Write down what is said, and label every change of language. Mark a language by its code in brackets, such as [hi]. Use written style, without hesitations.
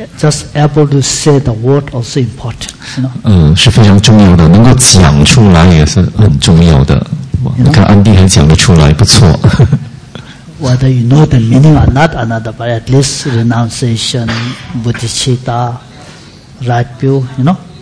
[en] Just able to say the word also important. You know? [zh] 是非常重要的，能够讲出来也是很重要的。你看安迪还讲得出来，不错。 [en] Whether you know the meaning or not, another, but at least renunciation, bodhicitta, right view, you know?